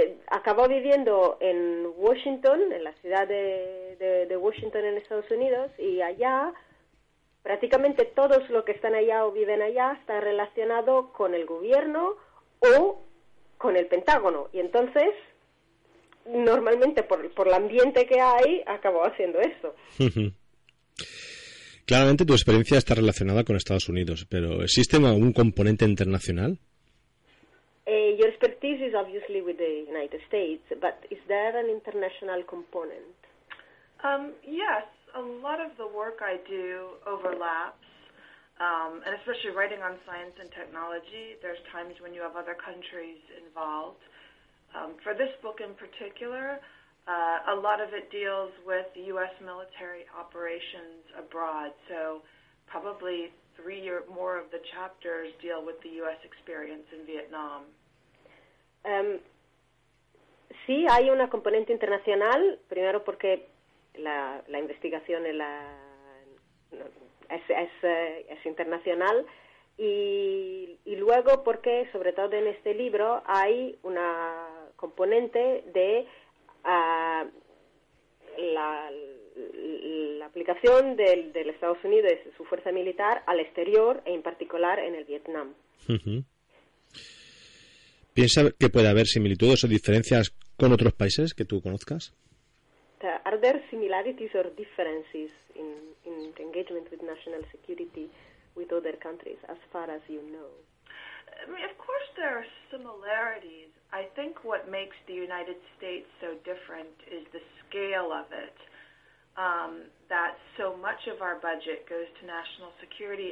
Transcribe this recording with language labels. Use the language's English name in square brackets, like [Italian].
[Spanish] Acabó viviendo en Washington, en la ciudad de Washington en Estados Unidos, y allá prácticamente todos los que están allá o viven allá están relacionados con el gobierno o con el Pentágono. Y entonces, normalmente por el ambiente que hay, acabó haciendo eso. Claramente tu experiencia está relacionada con Estados Unidos, pero ¿existe algún componente internacional? [English] Your expertise is obviously with the United States, but is there an international component? Yes, a lot of the work I do overlaps, and especially writing on science and technology, there's times when you have other countries involved. For this book in particular, a lot of it deals with U.S. military operations abroad, so probably 3 or more of the chapters deal with the U.S. experience in Vietnam. [Spanish] Sí, hay una componente internacional, primero porque la investigación es internacional, y luego porque, sobre todo en este libro, hay una componente de la aplicación del Estados Unidos, su fuerza militar, al exterior, e en particular en el Vietnam. ¿Piensa que puede haber similitudes o diferencias con otros países que tú conozcas? [English] Are there similarities or differences in engagement with national security with other countries, as far as you know? I mean, of course there are similarities. I think what makes the United States so different is the scale of it, that so much of our budget goes to national security.